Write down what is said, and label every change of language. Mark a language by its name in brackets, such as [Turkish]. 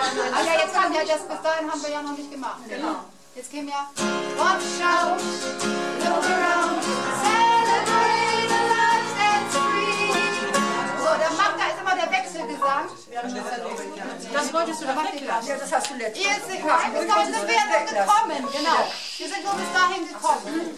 [German] Bis dahin haben wir ja noch nicht gemacht. Genau. Jetzt gehen wir. [English] Watch out, look around, celebrate the life that's free. [German] So, der Mann, da ist immer der Wechselgesang. Das wolltest du doch weglassen. Ja, das hast du letztes Mal. Ihr seid gekommen. Bis dahin sind wir gekommen. Genau. Wir sind nur bis dahin gekommen.